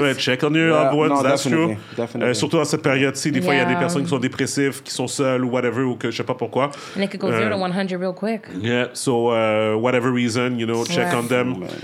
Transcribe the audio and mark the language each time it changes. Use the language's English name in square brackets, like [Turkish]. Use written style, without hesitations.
[English] Ouais, check on your loved ones, that's true. [French] Surtout dans cette période-ci, des fois, il y a des personnes qui sont dépressives, qui sont seules ou whatever, ou que je ne sais pas pourquoi. [English] And it could go 0 to 100 real quick. Yeah, so whatever reason, you know, check on them.